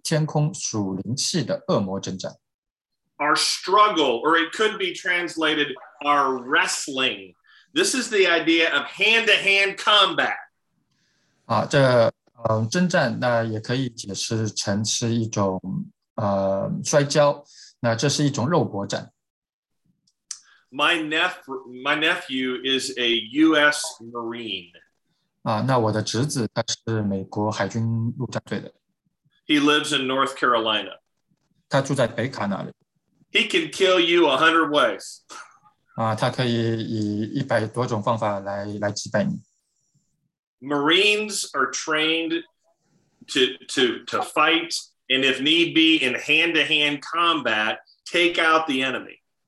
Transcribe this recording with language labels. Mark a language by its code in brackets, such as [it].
[zh] 12节，他继续说到，乃是与那些执政的、掌权的、管辖着幽暗世界的，以及天空属灵气的恶魔征战。 [en] Our struggle, or it could be translated, our wrestling. This is the idea of hand-to-hand combat. [zh] 这征战那也可以解释成是一种摔跤，那这是一种肉搏战。 [en] My nephew is a U.S. Marine. [zh] 那我的侄子他是美国海军陆战队的。 [en] He lives in North Carolina. [zh] 他住在北卡那里。 [en] He can kill you 100 ways. [zh] 他可以以100多种方法来击败你。 [en] Marines are trained to fight and if need be in hand-to-hand combat, take out the enemy.